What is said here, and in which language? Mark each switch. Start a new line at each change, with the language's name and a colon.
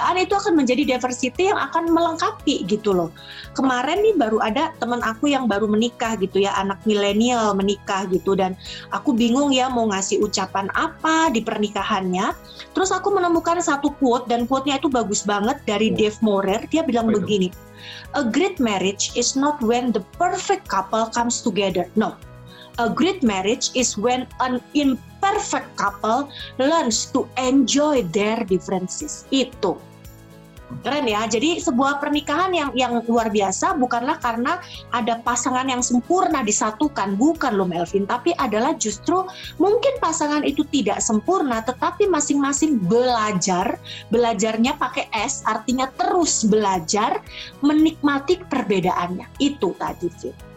Indonesian: Perbedaan itu akan menjadi diversity yang akan melengkapi gitu loh. Kemarin nih baru ada teman aku yang baru menikah gitu ya, anak milenial menikah gitu, dan aku bingung ya mau ngasih ucapan apa di pernikahannya. Terus aku menemukan satu quote, dan quote-nya itu bagus banget dari Dave Maurer. Dia bilang begini,
English: "A great marriage is not when the perfect couple comes together. No. A great marriage is when an imperfect couple learns to enjoy their differences."
Indonesian: Itu. Keren ya. Jadi sebuah pernikahan yang luar biasa bukanlah karena ada pasangan yang sempurna disatukan. Bukan loh, Melvin. Tapi adalah justru mungkin pasangan itu tidak sempurna, tetapi masing-masing belajar. Belajarnya pakai S, artinya terus belajar menikmati perbedaannya. Itu tadi sih.